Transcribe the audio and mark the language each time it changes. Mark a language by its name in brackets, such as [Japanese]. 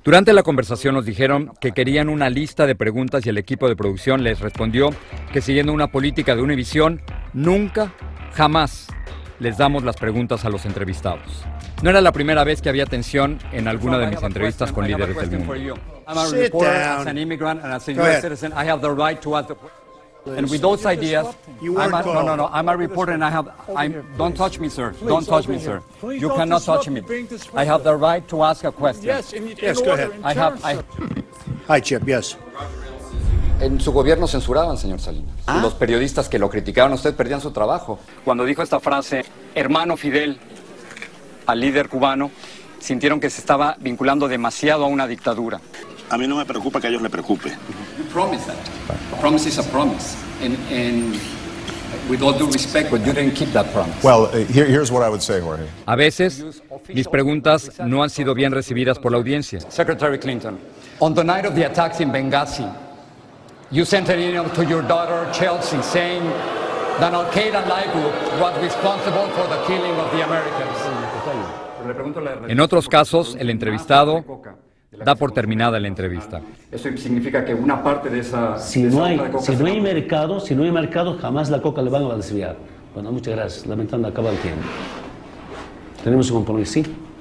[Spanish] Durante la conversación nos dijeron que querían una lista de preguntas y el equipo de producción les respondió que siguiendo una política de Univision, nunca, jamás les damos las preguntas a los entrevistados. No era la primera vez que había tensión en alguna de mis entrevistas con líderes del mundo. [English] I'm a reporter, as an immigrant, and as a U.S. citizen, I have the right to ask the... And with those ideas, I'm a reporter and I have, don't touch me, sir. Don't touch me, sir. You cannot touch me. I have the right to ask a question. Yes, go ahead. I have. Hi, Chip, yes. [Spanish] En su gobierno censuraban, señor Salinas. ¿Ah? Los periodistas que lo criticaban a usted perdían su trabajo. Cuando dijo esta frase, hermano Fidel, al líder cubano, sintieron que se estaba vinculando demasiado a una dictadura. A mí no me preocupa que a ellos les preocupe. [English] You promise that. A promise is a promise. And with all due respect, but you didn't keep that promise. Well, here's what I would say, Jorge. [Spanish] A veces, mis preguntas no han sido bien recibidas por la audiencia. [English] Secretary Clinton, on the night of the attacks in Benghazi, you sent an email to your daughter, Chelsea, saying that Al-Qaeda group was responsible for the killing of the Americans. [Spanish] En otros casos, el entrevistado da por terminada la entrevista. Eso significa que una parte de esa... Si no hay mercado, jamás la coca le van a desviar. Bueno, muchas gracias. Lamentando, acaba el tiempo. ¿Tenemos un compromiso? ¿Sí?